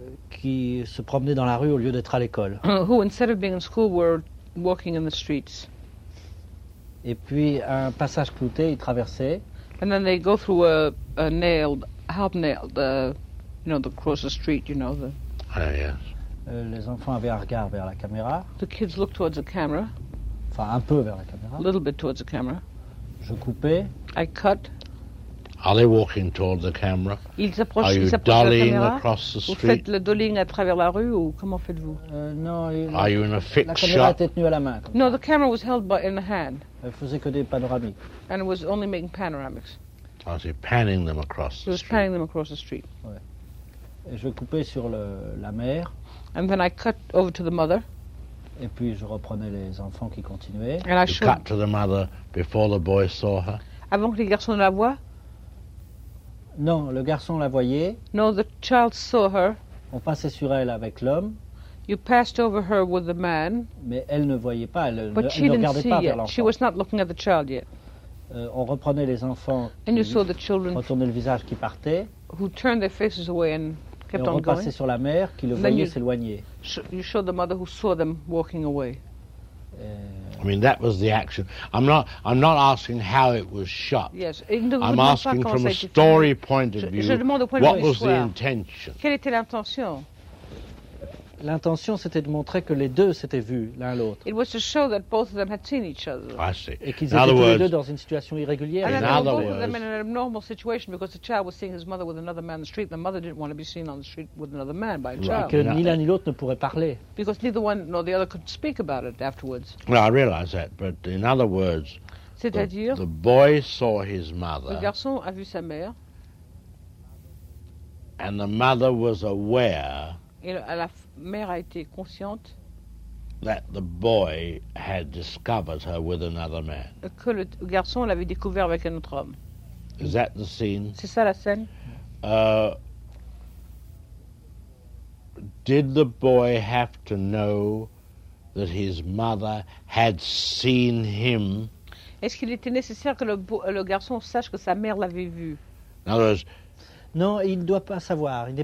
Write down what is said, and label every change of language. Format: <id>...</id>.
<fr>Qui se promenaient dans la rue au lieu d'être à l'école.</fr> <en>Who instead of being in school were walking in the streets.</en> <fr>Et puis un passage clouté, ils traversaient.</fr> <en>And then they go through a nailed, hobnailed, you know, the cross the street, you know. Yes.</en> <fr>Les enfants avaient un regard vers la caméra.</fr> <en>The kids looked towards the camera.</en> <fr>Enfin, un peu vers la caméra.</fr> <en>A little bit towards the camera.</en> <fr>Je coupais.</fr> <en>I cut. Are they walking towards the camera?</en> <fr>Ils s'approchent de la caméra.</fr> <en>Are you dollying across the street?</en> <fr>Vous faites le dolling à travers la rue ou comment faites-vous? Non.</fr> <en>Are you in a fixed shot?</en> <fr>La caméra était tenue à la main.</fr> <en>No, the camera was held in the hand.</en> <fr>Elle faisait que des panoramiques.</fr> <en>And it was only making panoramics. Oh, so you're panning them across the street. It was panning them across the street.</en> <fr>Ouais. Et je coupais sur la mer.</fr> <en>And then I cut over to the mother.</en> <fr>Et puis je reprenais les enfants qui continuaient.</fr> <en>And I cut to the mother before the boy saw her.</en> <fr>Avant que les garçons ne la voient. Non, le garçon la voyait.</fr> <en>No, the child saw her.</en> <fr>On passait sur elle avec l'homme.</fr> <en>You passed over her with the man.</en> <fr>Mais elle ne voyait pas, elle ne regardait pas vers l'enfant.</fr> <en>She was not looking at the child yet.</en> <fr>On reprenait les enfants.</fr> <en>And you saw the children.</en> <fr>Retournait le visage qui partait.</fr> <en>Who turned their faces away and kept on going.</en> <fr>Et on repassait sur la mère qui le voyait s'éloigner.</fr> <en>You showed the mother who saw them walking away. I mean, that was the action. I'm not asking how it was shot. Yes, I'm asking from a story point of view. What was the intention?</en> <fr>Quelle était l'intention? L'intention, c'était de montrer que les deux s'étaient vus l'un l'autre.</fr> <en>It was to show that both of them had seen each other. I see.</en> <fr>Et qu'ils étaient tous les deux dans une situation irrégulière.</fr> <en>And that both of them in an abnormal situation because the child was seeing his mother with another man on the street. The mother didn't want to be seen on the street with another man by a child.</en> <fr>Et que ni l'un ni l'autre ne pourraient parler.</fr> <en>Because neither one nor the other could speak about it afterwards. Well, I realize that, but in other words,</en> <fr>c'est-à-dire</fr> <en>the boy saw his mother.</en> <fr>Le garçon a vu sa mère.</fr> <en>And the mother was aware.</en> <fr>Mère a été consciente</fr> <en>that the boy had discovered her with another man.</en> <fr>Que le garçon l'avait découvert avec un autre homme.</fr> <en>Is that the scene?</en> <fr>C'est ça la scène?</fr> <en>Did the boy have to know that his mother had seen him?</en> <fr>Est-ce qu'il était nécessaire que le garçon sache que sa mère l'avait vu?</fr> <en>In other words,</en> <fr>non, il ne doit pas savoir, il n'est</fr>